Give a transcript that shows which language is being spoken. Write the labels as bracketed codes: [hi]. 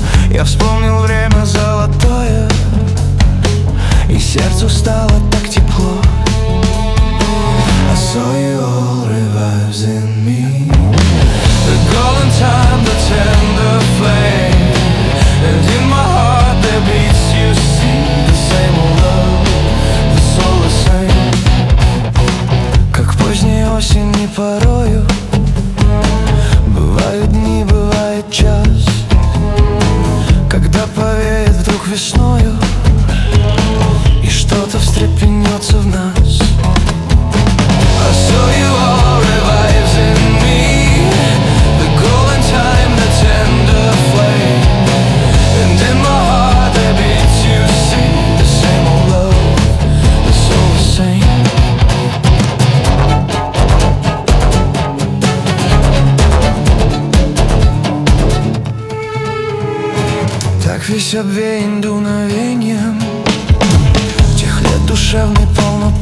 [ru] Я вспомнил время золотое, и сердцу стало так тепло. [en] I saw you all revives in me. The golden time, the tender flame, and in my heart there beats, you see, the same old love, it's all the same. [ru] Как поздней осенью порою, бывают дни, бывает час, когда повеет вдруг весною, и что-то встрепенется в нас. [en] I saw you all revives in me, the golden time, the tender flame, and in my heart there beats, you see, the same old love, the soul the same. [ru] Так весь обвеян дуновеньем тех лет душевной полной.